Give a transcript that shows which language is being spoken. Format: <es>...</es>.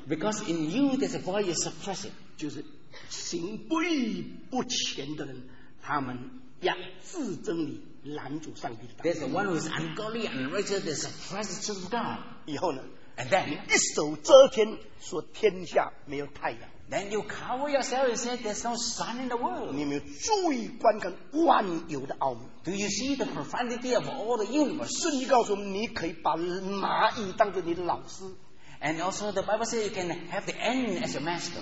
<en>Because in you there's a voice you're suppressing.</en> <zh>就是行不义不前的人， 他们压制真理拦阻上帝的道。</zh> <en>There's the one who is ungodly and unrighteous that suppresses the truth of God.</en> <zh>以后呢？</zh> <en>And then</en> <zh>你一手遮天， 说天下没有太阳。</zh> <en>Then you cover yourself and say there's no sun in the world.</en> <zh>你有没有注意观看万有的奥秘？</zh> <en>Do you see the profundity of all the universe?</en> <zh>圣经告诉我们你可以把蚂蚁当作你的老师。</zh> <en>And also the Bible says you can have the ant as your master.</en>